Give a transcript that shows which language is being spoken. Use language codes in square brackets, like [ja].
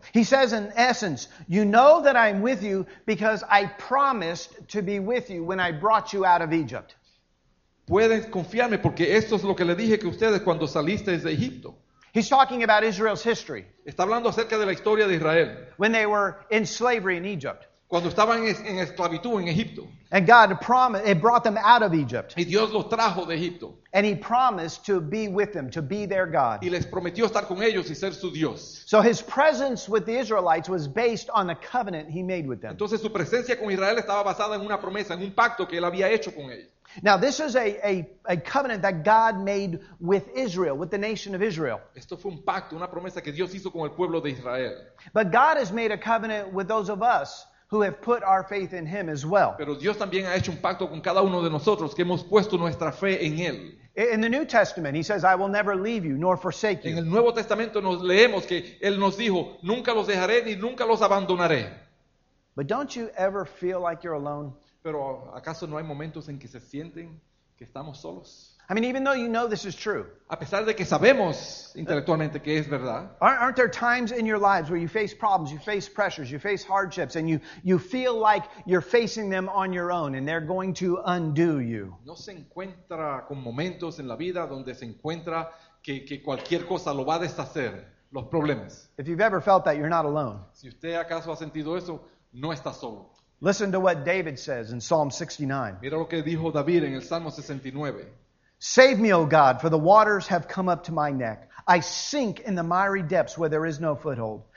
[en] He says in essence, you know that I'm with you because I promised to be with you when I brought you out of Egypt. [es] Puedes confiarme porque esto es lo que le dije que ustedes cuando salisteis de Egipto. [en] He's talking about Israel's history. [es] Está hablando acerca de la historia de Israel. [en] When they were in slavery in Egypt. [es] Cuando estaban en esclavitud en Egipto. [en] And God promised, it brought them out of Egypt. [es] Y Dios los trajo de Egipto. [en] And he promised to be with them, to be their God. [es] Y les prometió estar con ellos y ser su Dios. [en] So his presence with the Israelites was based on a covenant he made with them. [es] Entonces su presencia con Israel estaba basada en una promesa, en un pacto que él había hecho con ellos. [en] Now this is a covenant that God made with Israel, with the nation of Israel. [es] Esto fue un pacto, una promesa que Dios hizo con el pueblo de Israel. [en] But God has made a covenant with those of us who have put our faith in him as well. [es] Pero Dios también ha hecho un pacto con cada uno de nosotros que hemos puesto nuestra fe en él. [en] In the New Testament, he says, "I will never leave you nor forsake you." [es] En el Nuevo Testamento nos leemos que él nos dijo, "Nunca los dejaré ni nunca los abandonaré." [en] But don't you ever feel like you're alone? [es] Pero ¿acaso no hay momentos en que se sienten que estamos solos? [en] I mean, even though you know this is true. [es] A pesar de que sabemos intelectualmente que es verdad. [en] Aren't there times in your lives where you face problems, you face pressures, you face hardships, and you feel like you're facing them on your own, and they're going to undo you? [es] ¿No se encuentra con momentos en la vida donde se encuentra que cualquier cosa lo va a deshacer, los problemas? [en] If you've ever felt that, you're not alone. [es] Si usted acaso ha sentido eso, no está solo. [en] Listen to what David says in Psalm 69. [es] Mira lo que dijo David en el Salmo 69. [en] Save me, O God, for the waters have come up to my neck. I sink in the miry depths where there is no foothold.